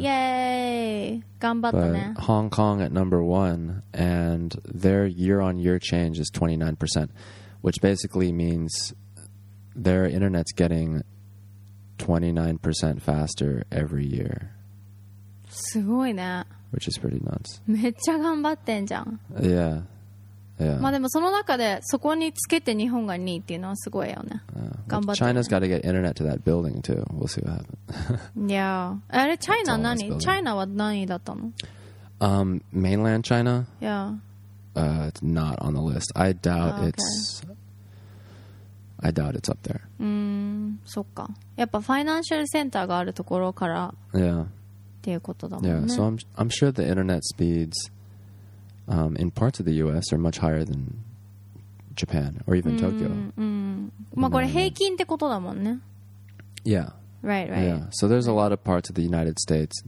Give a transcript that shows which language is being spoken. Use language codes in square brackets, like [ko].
[ja] Yay! 頑張ったね。 [en] But Hong Kong at number 1, and their year-on-year change is 29%, which basically means their internet's getting 29% faster every year. [ja] すごいね。 [en] Which is pretty nuts. [ja] めっちゃ頑張ってんじゃん。 [en] Yeah. Yeah. [ja] まあでもその中でそこにつけて日本が2位っていうのはすごいよね。 [en] Well, China's got to get internet to that building too. We'll see what happens. [ja] Yeah. あれ、China 何?China は何位だったの? [en] Mainland China? Yeah. It's not on the list. I doubt it's... I doubt it's up there. [ja] そっか。やっぱファイナンシャルセンターがあるところから [en] Yeah. [ja] っていうことだもんね。 [en] Yeah, so I'm sure the internet speeds... in parts of the U.S. are much higher than Japan or even Tokyo. [ja] まあこれ平均ってことだもんね。 [en] Yeah. Right, right. Yeah. So there's a lot of parts of the United States.